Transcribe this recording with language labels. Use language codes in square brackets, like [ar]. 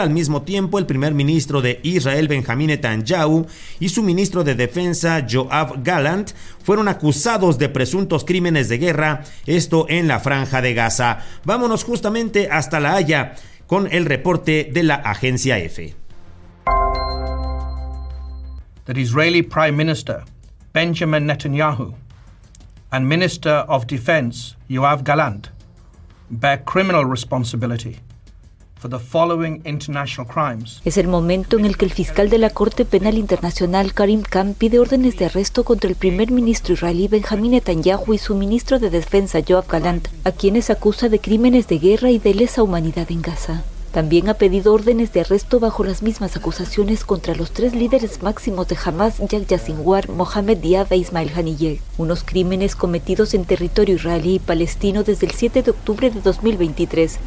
[es] Al mismo tiempo, el primer ministro de Israel, Benjamín Netanyahu, y su ministro de Defensa, Yoav Gallant, fueron acusados de presuntos crímenes de guerra, esto en la Franja de Gaza. Vámonos justamente hasta La Haya con el reporte de la agencia EFE. [en] The Israeli Prime Minister Benjamin Netanyahu and Minister of Defense Yoav Gallant bear criminal responsibility for the following international crimes. [es] Es el momento en el que el fiscal de la Corte Penal Internacional Karim Khan pide órdenes de arresto contra el primer ministro israelí Benjamin Netanyahu y su ministro de Defensa Yoav Gallant, a quienes acusa de crímenes de guerra y de lesa humanidad en Gaza. También ha pedido órdenes de arresto bajo las mismas acusaciones contra los tres líderes máximos de Hamas, Yahya Sinwar, Mohamed Diab e Ismail Haniyeh, unos crímenes cometidos en territorio israelí y palestino desde el 7 de octubre de 2023.